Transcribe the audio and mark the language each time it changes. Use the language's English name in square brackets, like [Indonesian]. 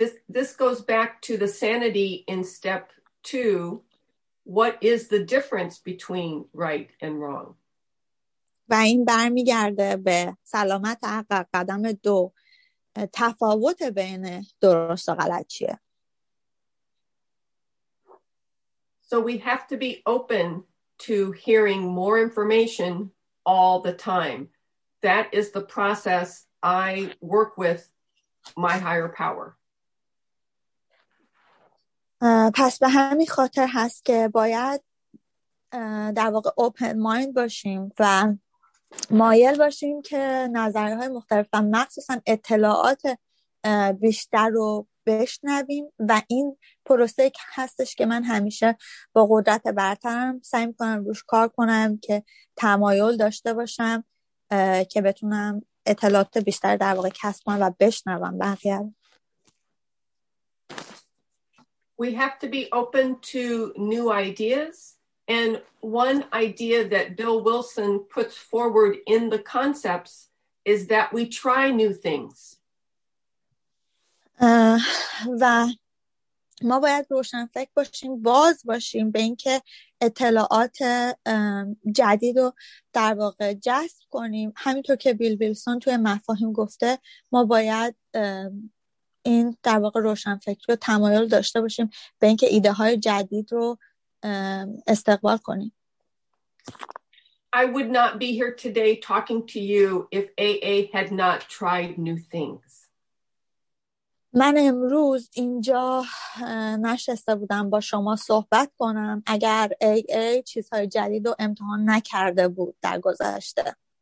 [English] This goes back to the sanity in step 2. What is the difference between right and wrong? [Persian] و این برمیگرده به سلامت عقل قدم 2. تفاوت بین درست و غلط چیه؟ [English] So we have to be open to hearing more information all the time. That is the process I work with my higher power. [Persian] پس به همین خاطر هست که باید در واقع [English] open mind [Persian] باشیم و مایل باشیم که نظرهای مختلف و مخصوصا اطلاعات بیشتر رو بشنویم و این پروسه هستش که من همیشه با قدرت برترم سعی می‌کنم روش کار کنم که تمایل داشته باشم که بتونم اطلاعات بیشتر در واقع کسب کنم و بشنوم بقیه. [English] We have to be open to new ideas. And one idea that Bill Wilson puts forward in the concepts is that we try new things. [Persian] و ما باید روشن فکر باشیم، باز باشیم به اینکه اطلاعات جدید رو در واقع جذب کنیم. همینطور که بیل ویلسون توی مفاهیم گفته، ما باید این در واقع روشن فکر رو تمایل داشته باشیم به اینکه ایده های جدید رو استقبال کنیم. [English] I would not be here today talking to you if AA had not tried new things. [Persian] من امروز اینجا نشسته بودم با شما صحبت کنم اگر AA چیزهای جدید رو امتحان نکرده بود در گذشته.